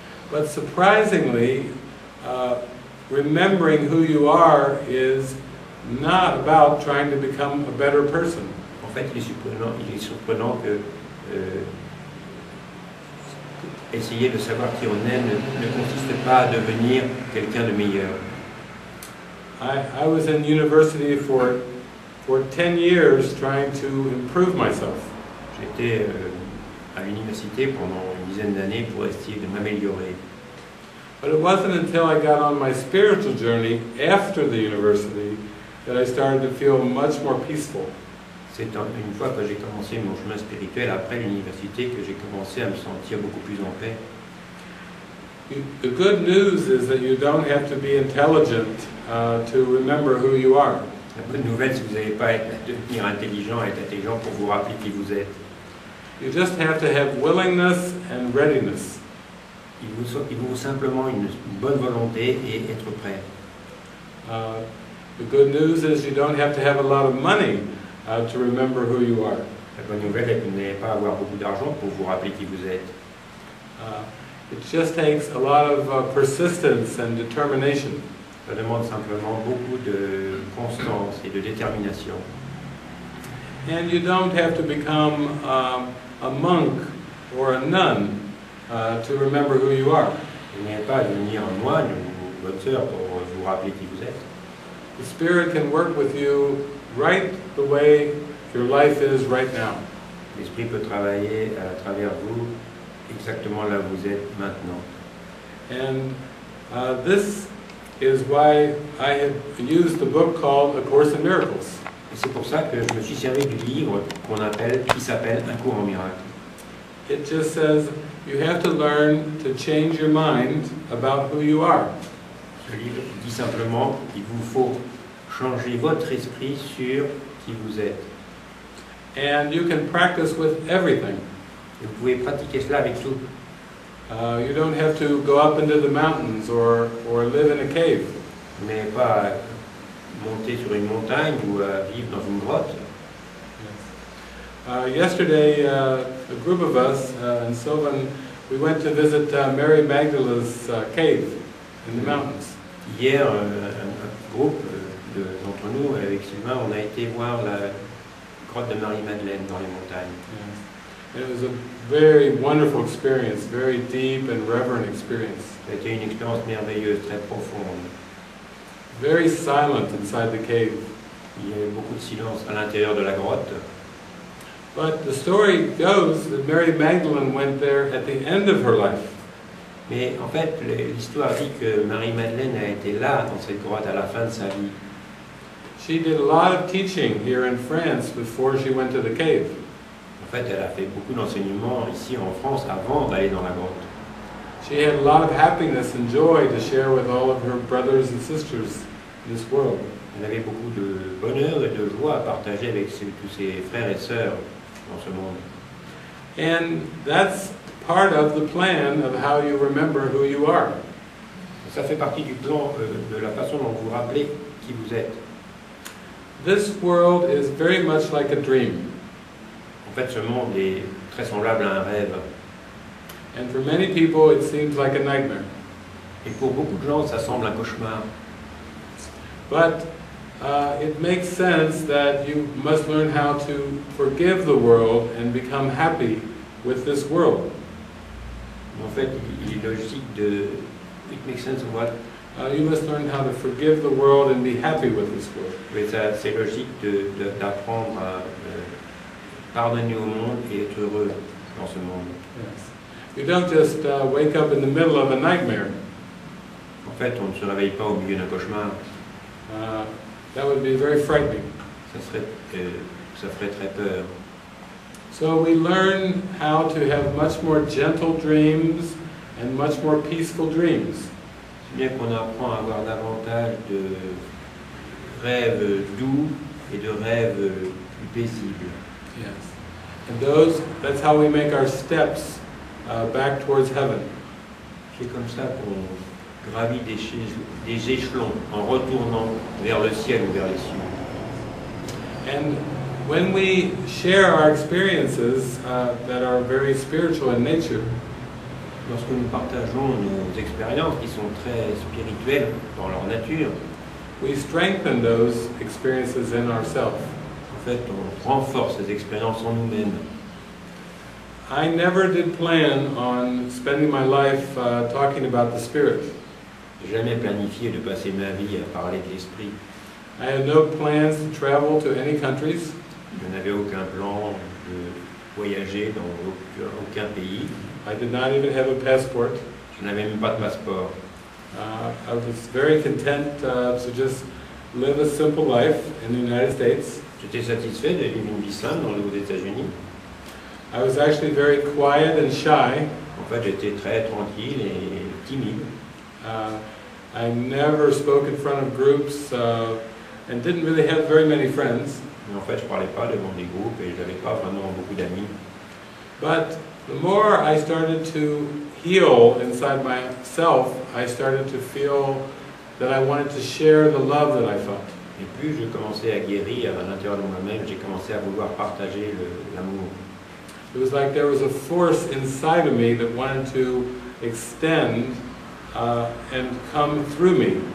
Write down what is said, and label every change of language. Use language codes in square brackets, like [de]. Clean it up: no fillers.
[en] But surprisingly, remembering who you are is not about trying to become a better person. [fr] En fait, il est surprenant que essayer de savoir qui on est ne consiste pas à devenir quelqu'un de meilleur. [en] I was in university for 10 years trying to improve myself. [fr] J'étais à l'université pendant une dizaine d'années pour essayer de m'améliorer. [en] But it wasn't until I got on my spiritual journey after the university that I started to feel much more peaceful. [fr] C'est une fois que j'ai commencé mon chemin spirituel après l'université que j'ai commencé à me sentir beaucoup plus en paix. [en] The good news is that you don't have to be intelligent to remember who you are. [fr] La bonne nouvelle, c'est que vous n'avez pas à devenir intelligent et être intelligent pour vous rappeler qui vous êtes. [en] You just have to have willingness and readiness. [fr] Il vous faut simplement une bonne volonté et être prêt. [en] The good news is you don't have to have a lot of money to remember who you are. [fr] La bonne nouvelle est que vous n'avez pas à avoir beaucoup d'argent pour vous rappeler qui vous êtes. [en] It just takes a lot of persistence and determination. [fr] Ça demande simplement beaucoup de constance et de détermination. [en] And you don't have to become a monk or a nun to remember who you are. [fr] Vous n'avez pas à devenir un moine ou une sœur pour vous rappeler qui vous êtes. [en] The Spirit can work with you right the way your life is right now. [fr] L'Esprit peut travailler à travers vous exactement là où vous êtes maintenant. [en] And this is why I have used the book called A Course in Miracles. [fr] Et c'est pour ça que je me suis servi du livre qui s'appelle Un cours en miracles. [en] It just says you have to learn to change your mind about who you are. [fr] Ce livre dit simplement qu'il vous faut changer votre esprit sur qui vous êtes. [en] And you can practice with everything. [fr] Et vous pouvez pratiquer cela avec tout. [en] You don't have to go up into the mountains or live in a cave. [fr] Vous n'avez pas monter sur une montagne ou vivre dans une grotte. [en] Yes. Yesterday, a group of us and Sylvain, we went to visit Mary Magdalene's cave in the mountains. [fr] Hier, un groupe d'entre nous avec Sylvain, on a été voir la grotte de Marie Madeleine dans les montagnes. [en] Yes. It was a very wonderful experience, very deep and reverent experience. [fr] C'était une expérience merveilleuse, très profonde. [en] Very silent inside the cave. [fr] Il y avait beaucoup de silence à l'intérieur de la grotte. [en] But the story goes that Mary Magdalene went there at the end of her life. [fr] Mais en fait, l'histoire dit que Marie Madeleine a été là dans cette grotte à la fin de sa vie. [en] She did a lot of teaching here in France before she went to the cave. [fr] En fait, elle a fait beaucoup d'enseignements ici en France avant d'aller dans la grotte. [en] She had a lot of happiness and joy to share with all of her brothers and sisters in this world. [fr] Elle avait beaucoup de bonheur et de joie à partager avec tous ses frères et sœurs dans ce monde. [en] And that's part of the plan of how you remember who you are. [fr] Ça fait partie du plan de la façon dont vous rappelez qui vous êtes. [en] This world is very much like a dream. [fr] En fait, ce monde est très semblable à un rêve. [en] And for many people, it seems like a nightmare. [fr] Et pour beaucoup de gens, ça semble un cauchemar. [en] But it makes sense that you must learn how to forgive the world and become happy with this world. [fr] En fait, il est logique de. [en] It makes sense of what? You must learn how to forgive the world and be happy with this world. [fr] Mais ça, c'est logique d'apprendre à pardonner au monde et être heureux dans ce monde. [en] Yes. You don't just wake up in the middle of a nightmare. [fr] En fait, on ne se réveille pas au milieu d'un cauchemar. [en] That would be very frightening. [fr] Ça ferait très peur. [en] So we learn how to have much more gentle dreams and much more peaceful dreams. [fr] C'est bien qu'on apprend à avoir davantage de rêves doux et de rêves plus paisibles. [en] Yes. And those, that's how we make our steps back towards heaven. [fr] C'est comme ça qu'on gravit des échelons en retournant vers le ciel ou vers les cieux. [en] And when we share our experiences that are very spiritual in nature, [fr] lorsque nous partageons nos expériences qui sont très spirituelles dans leur nature, [en] we strengthen those experiences in ourselves. [fr] En fait, on renforce ces expériences en nous-mêmes. [en] I never did plan on spending my life talking about the spirit. [fr] J'ai jamais planifié de passer ma vie à parler de l'esprit. [en] I had no plans to travel to any countries. [fr] Je n'avais aucun plan de voyager dans aucun pays. [en] I did not even have a passport. [fr] Je n'avais même pas de passeport. [en] I was very content to just live a simple life in the United States. [fr] J'étais satisfait de vivre une vie simple dans les États-Unis. [en] I was actually very quiet and shy. [fr] En fait, j'étais très tranquille et timide. [en] I never spoke in front of groups and didn't really have very many friends. [fr] Mais en fait, je parlais pas devant des groupes et j'avais pas vraiment beaucoup d'amis. [en] But the more I started to heal inside myself, I started to feel that I wanted to share the love that I felt. [fr] Et plus je commençais à guérir à l'intérieur de moi-même, j'ai commencé à vouloir partager l'amour. [en] It was like there was a force inside of me that wanted to extend and come through me.